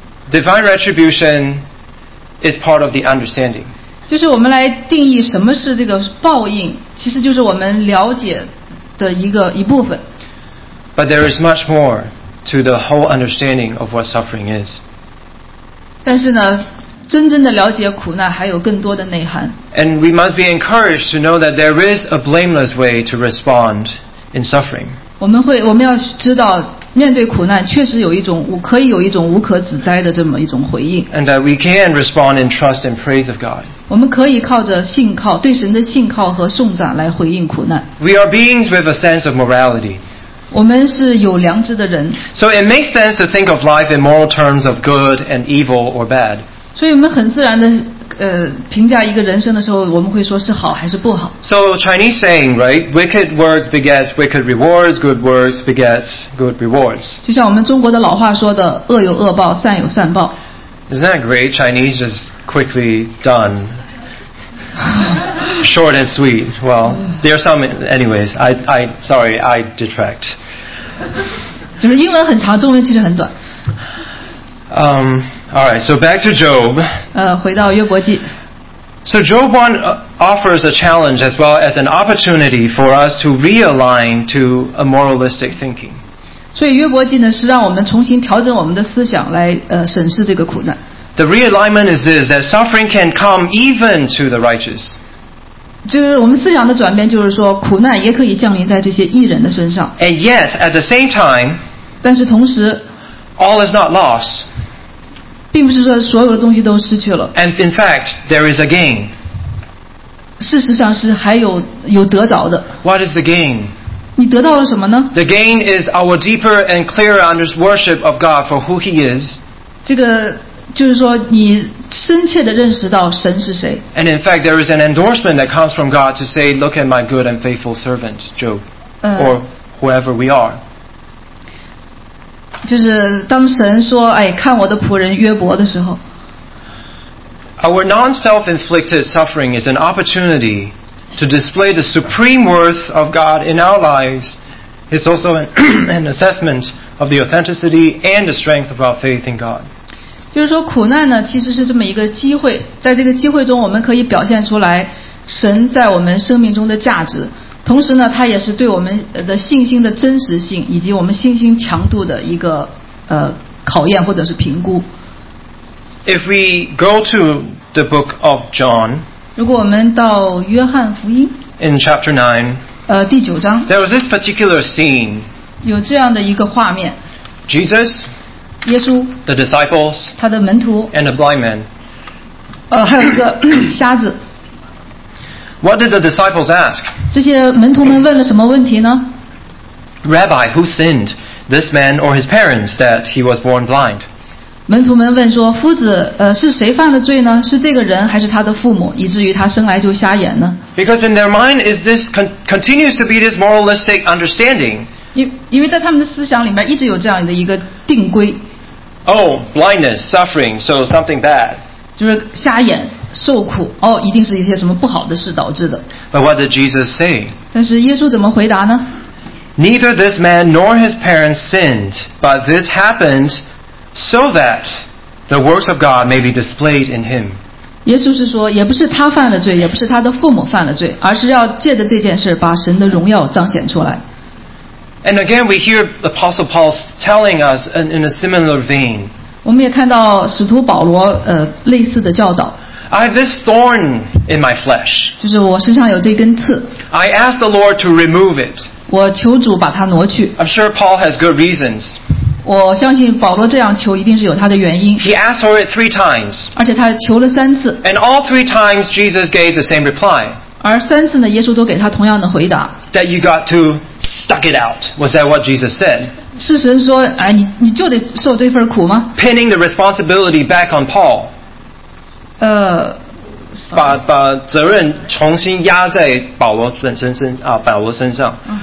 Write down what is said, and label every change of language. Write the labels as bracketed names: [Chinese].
[English] Divine retribution is part of the understanding. [Chinese] 就是我们来定义什么是这个报应，其实就是我们了解的一部分。 [English] But there is much more to the whole understanding of what suffering is. [Chinese] 但是呢，真正的了解苦难还有更多的内涵。 [English] And we must be encouraged to know that there is a blameless way to respond in suffering. [Chinese] 我们要知道面对苦难确实有一种可以有一种无可指摘的这么一种回应。 [English] And that we can respond in trust and praise of God. [Chinese] 我们可以靠着信靠，对神的信靠和颂赞来回应苦难。 [English] We are beings with a sense of morality. [Chinese] 我们是有良知的人。 [English] So it makes sense to think of life in moral terms of good and evil or bad. [Chinese] 所以我们很自然的评价一个人生的时候，我们会说是好还是不好。 [English] So Chinese saying, right? Wicked words begets wicked rewards. Good words begets good rewards. [Chinese] 就像我们中国的老话说的，恶有恶报，善有善报。 [English] Isn't that great? Chinese just quickly done. Short and sweet. Well, there are some, anyways. I detract. [Chinese] 就是英文很长，中文其实很短。 [English] All right, so back to Job. [Chinese] 回到约伯记。 [English] So Job 1 offers a challenge as well as an opportunity for us to realign to a moralistic thinking. [Chinese] 所以约伯记呢，是让我们重新调整我们的思想来审视这个苦难。 [English] The realignment is this, that suffering can come even to the righteous. [Chinese] 就是我们思想的转变，就是说苦难也可以降临在这些义人的身上。 [English] And yet, at the same time, [Chinese] 但是同时 [English] all is not lost. [Chinese] 并不是说所有的东西都失去了。 [English] And in fact, there is a gain. [Chinese] 事实上是还有得着的。 [English] What is the gain? [Chinese] 你得到了什么呢？ [English] The gain is our deeper and clearer understanding worship of God for who He is. [Chinese] 这个就是说你深切地认识到神是谁。 [English] And in fact, there is an endorsement that comes from God to say, look at my good and faithful servant, Job, or whoever we are. [Chinese] 就是当神说哎，看我的仆人约伯的时候， [English] Our non-self-inflicted suffering is an opportunity to display the supreme worth of God in our lives. It's also an assessment of the authenticity and the strength of our faith in God. [Chinese] 就是说苦难呢，其实是这么一个机会，在这个机会中我们可以表现出来神在我们生命中的价值，同时呢，它也是对我们的信心的真实性以及我们信心强度的一个考验或者是评估。 [English] If we go to the book of John, [Chinese] 如果我们到约翰福音 [English] in chapter 9, [Chinese] 第九章 [English] there was this particular scene, [Chinese] 有这样的一个画面 [English] Jesus, [Chinese] 耶稣 [English] the disciples, [Chinese] 他的门徒 [English] and a blind man, [Chinese] 还有一个瞎子。 [English] What did the disciples ask? [Chinese] 这些门徒们问了什么问题呢？ [English] Rabbi, who sinned, this man or his parents, that he was born blind? [Chinese] 门徒们问说，夫子，是谁犯了罪呢？是这个人还是他的父母，以至于他生来就瞎眼呢？ [English] Because in their mind is this continues to be this moralistic understanding. [Chinese] 因为在他们的思想里面一直有这样的一个定规。 [English] Oh, blindness, suffering, so something bad. [Chinese] 就是瞎眼受苦哦，一定是一些什么不好的事导致的。 [English] But what did Jesus say? [Chinese] 但是耶稣怎么回答呢？ [English] Neither this man nor his parents sinned, but this happened so that the works of God may be displayed in him. [Chinese] 耶稣是说，也不是他犯了罪，也不是他的父母犯了罪，而是要借着这件事把神的荣耀彰显出来。 [English] And again, we hear the Apostle Paul telling us in a similar vein. [Chinese] 我们也看到使徒保罗类似的教导。 [English] I have this thorn in my flesh. [Chinese] 就是我身上有这根刺。 [English] I ask the Lord to remove it. [Chinese] 我求主把它挪去。 [English] I'm sure Paul has good reasons. [Chinese] 我相信保罗这样求一定是有他的原因。 [English] He asked for it three times. [Chinese] 而且他求了三次。 [English] And all three times, Jesus gave the same reply. [Chinese] 而三次呢，耶稣都给他同样的回答。 [English] That you got to stuck it out. Was that what Jesus said? [Chinese] 是神说，哎，你就得受这份苦吗？ [English] Pinning the responsibility back on Paul. [Chinese] 把责任重新压在保罗身上。